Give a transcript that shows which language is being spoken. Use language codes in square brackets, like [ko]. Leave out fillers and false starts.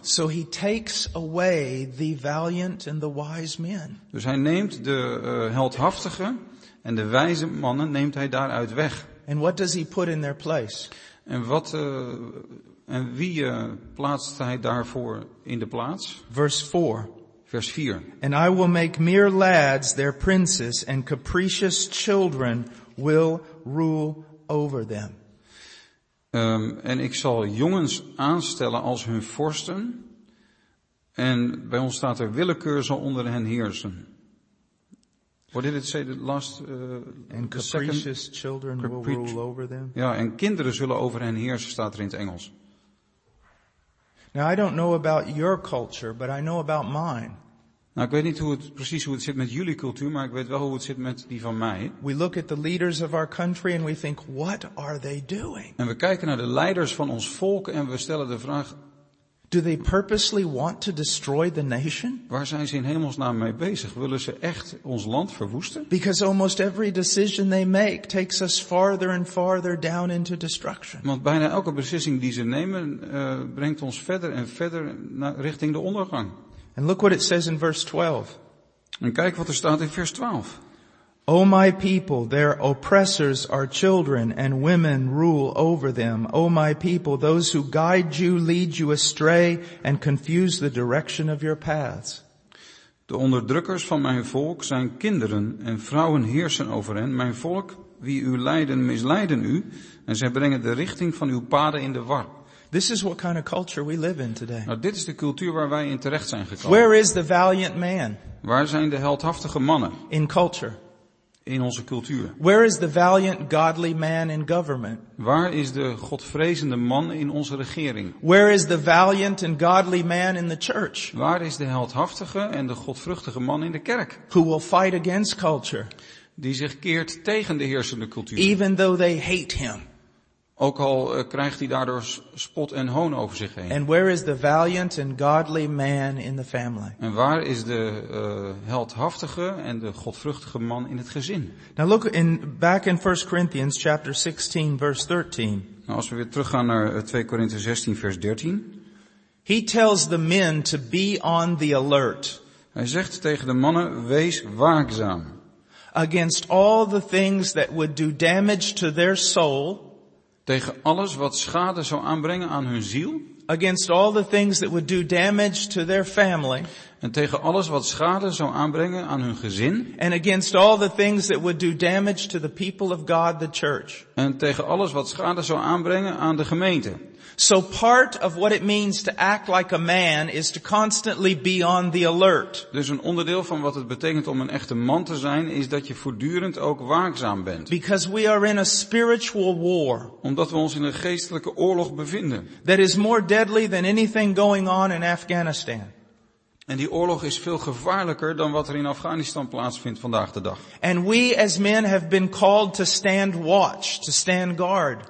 [en] So he takes away the valiant and the wise men. [nl] Dus hij neemt de heldhaftige en de wijze mannen neemt hij daaruit weg. [en] And what does he put in their place? [nl] En wat en wie plaatst hij daarvoor in de plaats? [en] Verse 4. [nl] Vers 4. [en] And I will make mere lads their princes, and capricious children will rule over them. [nl] En ik zal jongens aanstellen als hun vorsten, en bij ons staat er willekeur zal onder hen heersen. [en] What did it say the last? And capricious children will rule over them. [nl] Ja, en kinderen zullen over hen heersen, staat er in het Engels. [en] Now I don't know about your culture, but I know about mine. [nl] Nou, ik weet niet hoe het zit met jullie cultuur, maar ik weet wel hoe het zit met die van mij. [en] We look at the leaders of our country and we think, what are they doing? [nl] En we kijken naar de leiders van ons volk en we stellen de vraag: [en] do they purposely want to destroy the nation? [nl] Waar zijn ze in hemelsnaam mee bezig? Willen ze echt ons land verwoesten? [en] Because almost every decision they make takes us farther and farther down into destruction. [nl] Want bijna elke beslissing die ze nemen, brengt ons verder en verder richting de ondergang. [en] And look what it says in verse 12. [nl] En kijk wat er staat in vers 12. [en] O my people, their oppressors are children, and women rule over them. O my people, those who guide you lead you astray and confuse the direction of your paths. [nl] De onderdrukkers van mijn volk zijn kinderen, en vrouwen heersen over hen. Mijn volk, wie u leiden, misleiden u, en zij brengen de richting van uw paden in de war. [en] This is what kind of culture we live in today. [nl] Nou, dit is de cultuur waar wij in terecht zijn gekomen. [en] Where is the valiant man? [nl] Waar zijn de heldhaftige mannen? [en] In culture. [nl] In onze cultuur. [en] Where is the valiant godly man in government? [nl] Waar is de godvrezende man in onze regering? [en] Where is the valiant and godly man in the church? [nl] Waar is de heldhaftige en de godvruchtige man in de kerk? [en] Who will fight against culture? [nl] Die zich keert tegen de heersende cultuur. [en] Even though they hate him. [nl] Ook al krijgt hij daardoor spot en hoon over zich heen. [en] And where is the valiant and godly man in the family? [nl] En waar is de heldhaftige en de godvruchtige man in het gezin? [en] Now look in back in 1 Corinthians chapter 16 verse 13. [nl] Nou, als we weer teruggaan naar 2 Korinthe 16 vers 13. [en] He tells the men to be on the alert. [nl] Hij zegt tegen de mannen: wees waakzaam. [en] Against all the things that would do damage to their soul. [nl] Tegen alles wat schade zou aanbrengen aan hun ziel. [en] Against all the things that would do damage to their family. [nl] En tegen alles wat schade zou aanbrengen aan hun gezin. [en] And against all the things that would do damage to the people of God, the church. [nl] En tegen alles wat schade zou aanbrengen aan de gemeente. [en] So part of what it means to act like a man is to constantly be on the alert. [nl] Dus een onderdeel van wat het betekent om een echte man te zijn is dat je voortdurend ook waakzaam bent. [en] Because we are in a spiritual war. [nl] Omdat we ons in een geestelijke oorlog bevinden. [en] That is more deadly than anything going on in Afghanistan. [nl] En die oorlog is veel gevaarlijker dan wat er in Afghanistan plaatsvindt vandaag de dag. [en] And we as men have been called to stand watch, to stand guard.